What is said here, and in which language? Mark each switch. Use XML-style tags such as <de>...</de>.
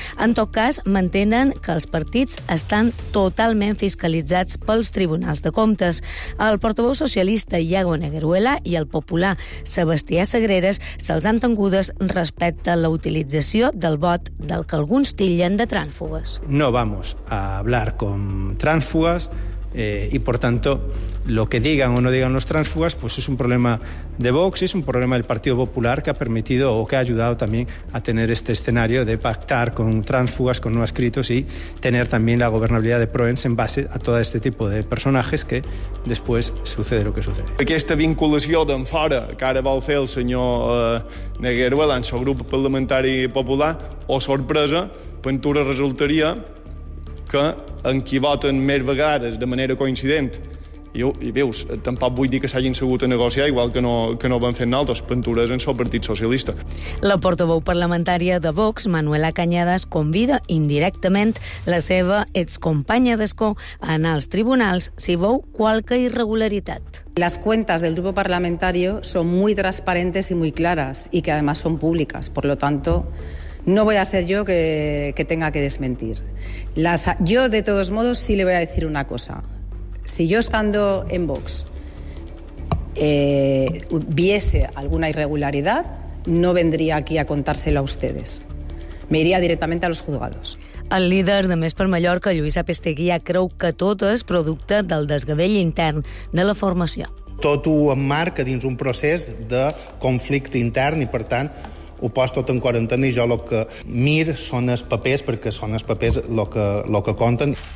<ca>En tot cas, mantenen que els partits estan totalment fiscalitzats pels tribunals de comptes. El portaveu socialista Iago Negueruela i el popular Sebastià Sagreres se'ls han tengudes respecte a la utilització del vot del que alguns tillen de trànsfugues.</ca> <es>No vamos a hablar con trànsfugues y, por tanto, lo que digan o no digan los trànsfugues pues es un problema de Vox, es un problema del Partido Popular que ha permitido o que ha ayudado también a tener este escenario de pactar con trànsfugues, con no adscritos y tener también la gobernabilidad de Proens en base a todo este tipo de personajes que después sucede lo que sucede.</es> <ca>Aquesta vinculació d'en fora que ara vol fer el senyor Negueruela en seu grup parlamentari popular, o sorpresa, Ventura resultaria que en qui voten més vegades de manera coincident, i veus, tampoc vull dir que s'hagin segut a negociar, igual que no ho van fer naltros, pentures en el Partit Socialista. La portaveu parlamentària de Vox, Manuela Cañadas, convida indirectament la seva excompanya d'Escó a anar als tribunals si veu qualque irregularitat.</ca> <es>Las cuentas del grupo parlamentario son muy transparentes y muy claras y que además son públicas, por lo tanto no voy a ser yo que tenga que desmentir. Yo, de todos modos, sí le voy a decir una cosa. Si yo, estando en Vox, viese alguna irregularidad, no vendría aquí a contárselo a ustedes. Me iría directamente a los juzgados.</es> <ca>El líder de Més per Mallorca, Lluís Apesteguía, creu que tot és producte del desgavell intern de la formació. Tot ho emmarca dins un procés de conflicte intern i, per tant, ho poso tot en quarantena i jo el que mir són els papers, perquè són els papers el que compten.</ca>